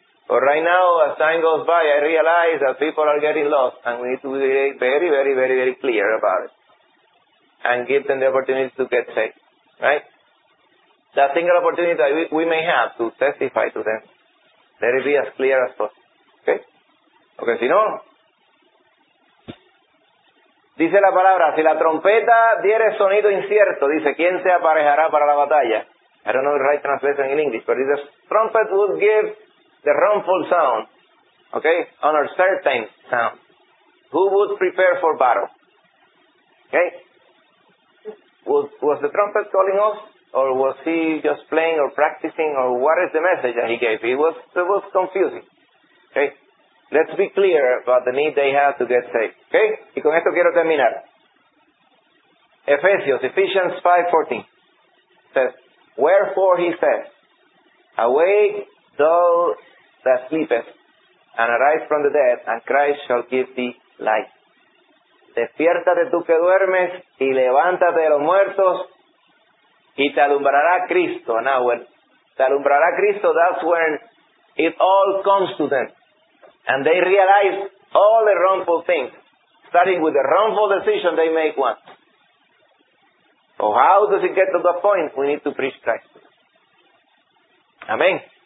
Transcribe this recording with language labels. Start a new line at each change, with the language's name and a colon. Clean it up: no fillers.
English: But right now, as time goes by, I realize that people are getting lost. And we need to be very, very, very, very clear about it. And give them the opportunity to get saved. Right? That single opportunity that we may have to testify to them, let it be as clear as possible. Okay? Okay,
Spanish: si no. Dice la palabra, si la trompeta diere sonido incierto, dice, ¿quién se aparejará para la batalla?
English: I don't know the right translation in English, but if the trumpet would give the wrongful sound, okay, on a certain sound, who would prepare for battle? Okay? Was the trumpet calling off? Or was he just playing or practicing? Or what is the message that he gave? It was confusing. Okay? Let's be clear about the need they have to get saved. Okay?
Spanish: Y con esto quiero terminar.
English: Ephesians 5:14 says, wherefore he says, awake thou that sleepest, and arise from the dead, and Christ shall give thee light.
Spanish: Despiértate tú que duermes, y levántate de los muertos, y te alumbrará Cristo.
English: Now, when
Spanish: te alumbrará Cristo,
English: that's when it all comes to them. And they realize all the wrongful things, starting with the wrongful decision they make once. So how does it get to the point? We need to preach Christ. Amen.